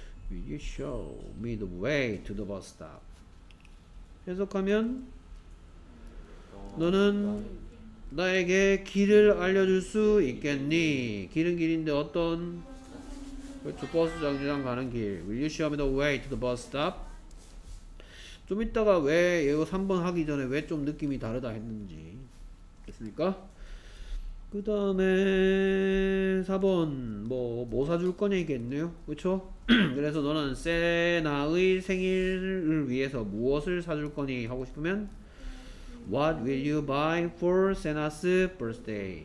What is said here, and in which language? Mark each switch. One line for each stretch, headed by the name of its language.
English: Will you show me the way to the bus stop?
Korean: 해석하면 너는 나에게 길을 알려줄 수 있겠니? 길은 길인데 어떤 그렇죠, 버스 정류장 가는 길.
English: Will you show me the way to the bus stop?
Korean: 좀 이따가 왜 이거 3번 하기 전에 왜 좀 느낌이 다르다 했는지 됐습니까? 그 다음에 4번 뭐 사줄 거냐겠네요. 그렇죠? 그래서 너는 세나의 생일을 위해서 무엇을 사줄 거니 하고 싶으면
English: What will you buy for Sena's birthday?